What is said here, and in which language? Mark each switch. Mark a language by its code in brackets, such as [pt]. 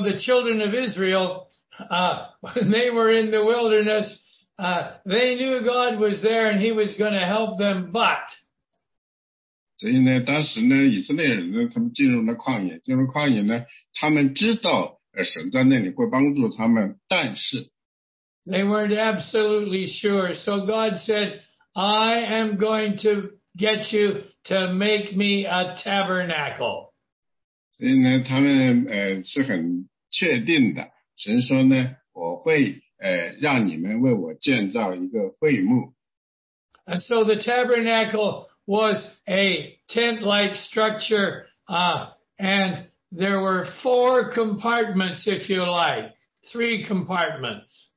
[en] the children of Israel, when they were in the wilderness, they knew God was there and He was going to help them. But [zh] 所以呢，当时呢，以色列人呢，他们进入了旷野，进入旷野呢，他们知道神在那里会帮助他们，但是。 [en] They weren't absolutely sure. So God said, I am going to get you to make me a tabernacle. [zh] 所以呢，他们是很确定的。神说呢，我会让你们为我建造一个会幕。 [en] And so the tabernacle was a tent-like structure, and there were four compartments, if you like, three compartments.